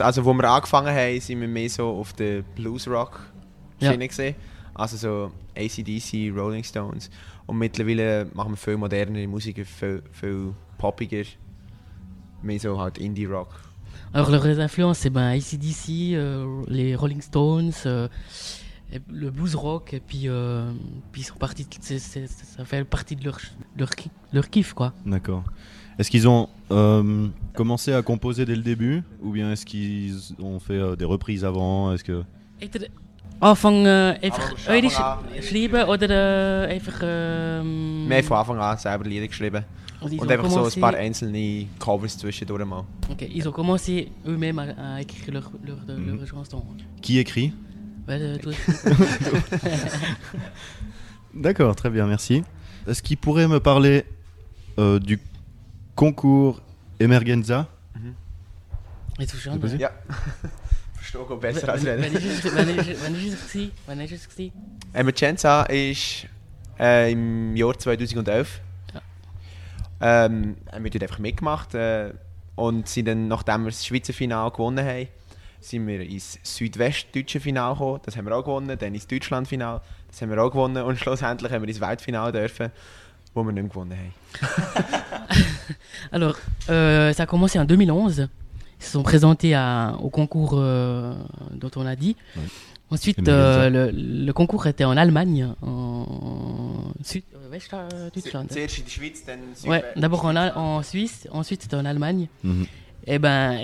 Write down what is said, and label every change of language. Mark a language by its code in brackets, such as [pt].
[de] Also, wo wir angefangen haben, sind wir mehr so auf der Blues-Rock-Schiene gesehen. Also so AC/DC, Rolling Stones. Und mittlerweile machen wir viel modernere Musik, viel poppiger. Mais so halt Indie Rock. [fr] Alors leurs influences, c'est ben AC/DC, les Rolling Stones, le blues rock, et puis ils sont partis, ça fait partie de leur kiff, quoi. D'accord. Est-ce qu'ils ont commencé à composer dès le début, ou bien est-ce qu'ils ont fait des reprises avant? Est-ce que [de] Anfang einfach Lieder geschrieben oder einfach mehr von Anfang an selber Lieder geschrieben? Und einfach so ein paar einzelne Covers zwischendurch mal. [fr] Okay, ils ont commencé eux-mêmes à écrire leur chanson. Qui écrit? Ben, toi. D'accord, très bien, merci. Est-ce qu'il pourrait me parler du concours Emergenza? Et tout jeune. [de] Ja. Ich stehe auch besser als wenn. Wann war es? Emergenza ist im Jahr 2011. Ja. Wir haben einfach mitgemacht. Und sind dann, nachdem wir das Schweizer Finale gewonnen haben, sind wir ins Südwestdeutsche Finale gekommen. Das haben wir auch gewonnen. Dann ins Deutschlandfinale. Das haben wir auch gewonnen. Und schlussendlich haben wir ins Weltfinale dürfen, wo wir nicht gewonnen haben. [fr] Alors, ça a commencé en 2011. Ils se sont présentés au concours dont on a dit. Oui. Ensuite, le concours était en Allemagne, en Sud-Deutschland. Ouais, d'abord en Suisse, ensuite c'était en Allemagne. Mm-hmm.